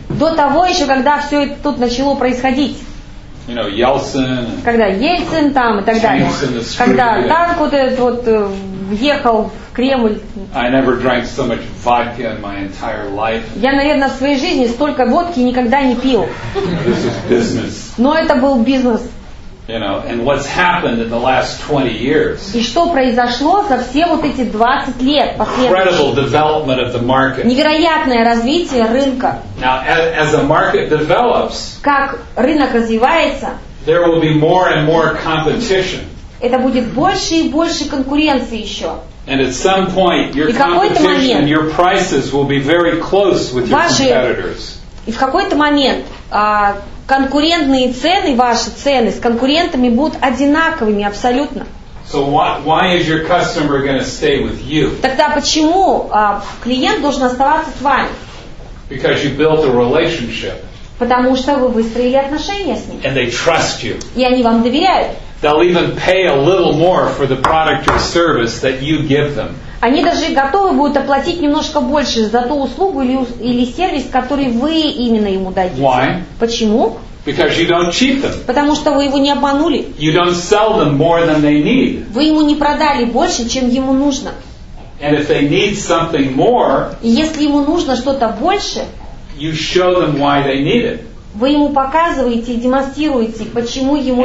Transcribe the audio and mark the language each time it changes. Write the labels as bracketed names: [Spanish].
[Russian] До того еще, когда все это тут начало происходить. [English] You know, Yeltsin. [Russian] Когда Ельцин там и так далее. Когда танк вот этот вот въехал в Кремль. [English] I never drank so much vodka in my entire life. [Russian] Я, наверное, в своей жизни столько водки никогда не пил. [English] This is business. [Russian] Но это был бизнес. [English] You know, and what's happened in the last 20 years? [Russian] И что произошло за все вот эти 20 лет последующих? [English] Incredible development of the market. [Russian] Невероятное развитие рынка. [English] Now, as the market develops, [Russian] как рынок развивается, [English] there will be more and more competition. [Russian] Это будет больше и больше конкуренции еще. [English] And at some point, your competition and your prices will be very close with your competitors. [Russian] И в какой-то момент конкурентные цены, ваши цены с конкурентами будут одинаковыми абсолютно. [English] So why is your customer going to stay with you? [Russian] Тогда почему клиент должен оставаться с вами? [English] Because you built a relationship. [Russian] Потому что вы выстроили отношения с ним. [English] And they trust you. [Russian] И они вам доверяют. [English] They'll even pay a little more for the product or service that you give them. [Russian] Они даже готовы будут оплатить немножко больше за ту услугу или сервис, который вы именно ему дадите. [English] Why? [Russian] Почему? [English] Because you don't cheat them. [Russian] Потому что вы его не обманули. [English] You don't sell them more than they need. [Russian] Вы ему не продали больше, чем ему нужно. [English] And if they need something more, [Russian] если ему нужно что-то больше, [English] you show them why they need it. [Russian] Вы ему показываете и демонстрируете, почему ему